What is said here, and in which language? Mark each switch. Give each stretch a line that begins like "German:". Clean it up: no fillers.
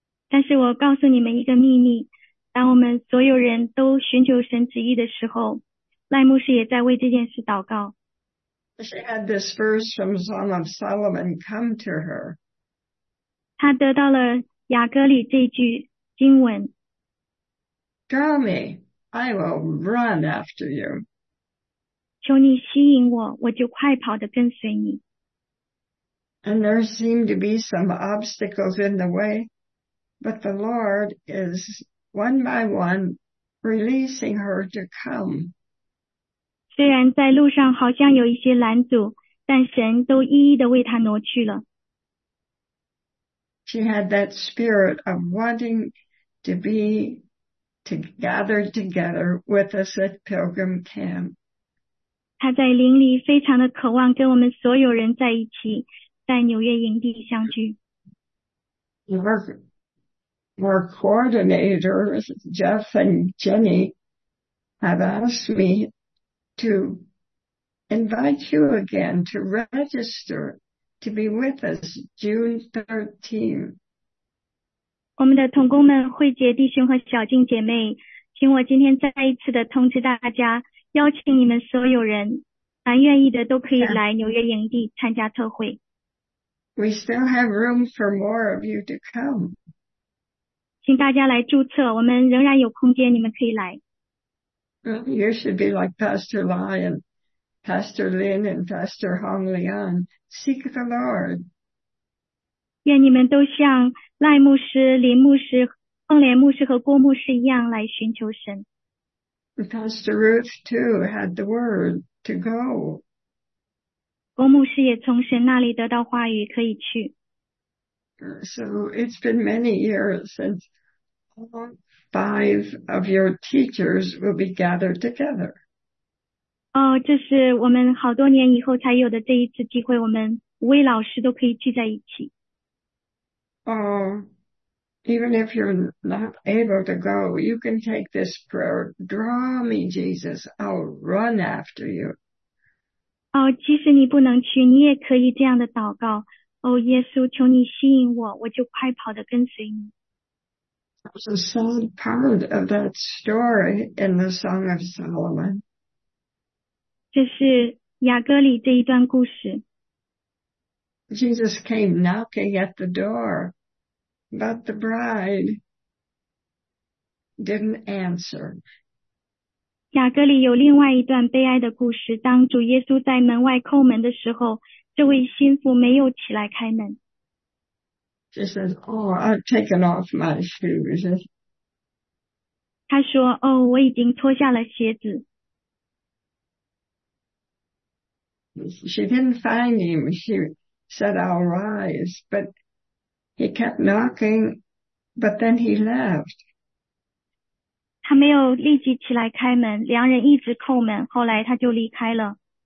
Chinese: 但是我告诉你们一个秘密，当我们所有人都寻求神旨意的时候，赖牧师也在为这件事祷告。
English: She had this verse from Song of Solomon come to her.
Chinese: 她得到了雅歌里这句经文。
English: Draw me, I will run after you.
Chinese: 求你吸引我，我就快跑地跟随你。
English: And there seem to be some obstacles in the way, but the Lord is one by one releasing her to come.
Chinese: 虽然在路上好像有一些拦阻，但神都一一地为她挪去了。
English: She had that spirit of wanting to be to gather together with us at Pilgrim Camp.
Chinese: 她在灵里非常的渴望跟我们所有人在一起，在纽约营地相聚。
English: Our coordinators, Jeff and Jenny, have asked me to invite you again to register to be with us June 13th.
Chinese: 我们的同工们，慧杰弟兄和小静姐妹，请我今天再一次的通知大家，邀请你们所有人，凡愿意的都可以来纽约营地参加特会。
English: We still have room for more of you to come.
Chinese: 请大家来注册，我们仍然有空间，你们可以来。
English: You should be like Pastor Lai and Pastor Lin and Pastor Hong Leon. Seek the Lord.
Chinese: 愿你们都像赖牧师、林牧师、凤莲牧师和郭牧师一样来寻求神。
English: Pastor Ruth too had the word to go.
Chinese: 郭牧师也从神那里得到话语，可以去。
English: So it's been many years since all 5 of your teachers will be gathered together.
Chinese: 哦，这是我们好多年以后才有的这一次机会，我们五位老师都可以聚在一起。
English: Even if you're not able to go, you can take this prayer. Draw me, Jesus. I'll run after you.
Chinese: 哦，即使你不能去，你也可以这样的祷告。哦，耶稣，求你吸引我，我就快跑地跟随你。
English: There's a sad part of that story in the Song of Solomon.
Chinese: 这是雅歌里这一段故事。
English: Jesus came knocking at the door, but the bride didn't answer.
Chinese: 雅歌里有另外一段悲哀的故事，当主耶稣在门外叩门的时候，这位心腹没有起来开门。
English: She says, oh, I've taken off my shoes.
Chinese: 他说，哦，我已经脱下了鞋子。
English: She didn't find him. She said, I'll rise. But he kept knocking, but then he left.
Chinese: 他没有立即起来开门，两人一直叩门，后来他就离开了。